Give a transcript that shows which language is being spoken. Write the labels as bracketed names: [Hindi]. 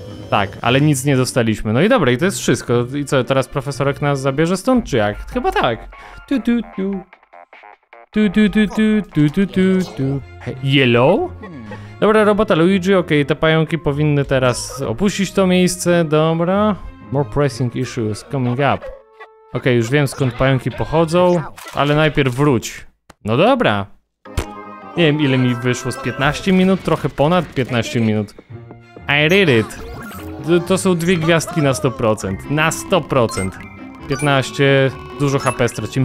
[Polish] Tak, ale nic nie dostaliśmy. No i dobra, i to jest wszystko. I co, teraz profesorek nas zabierze stąd, czy jak? Chyba tak. Tu, tu, tu. Tu, tu, tu, tu, tu, tu, tu, tu. [English] Yellow? [Polish] Dobra, robota Luigi, okej, te pająki powinny teraz opuścić to miejsce, dobra. [English] More pressing issues coming up. [Polish] Okej, już wiem, skąd pająki pochodzą, ale najpierw wróć. No dobra. Nie wiem, ile mi wyszło z 15 minut, trochę ponad 15 minut. [English] I did it. [Polish] To są dwie gwiazdki na 100%. Na 100%. 15, dużo HP stracimy.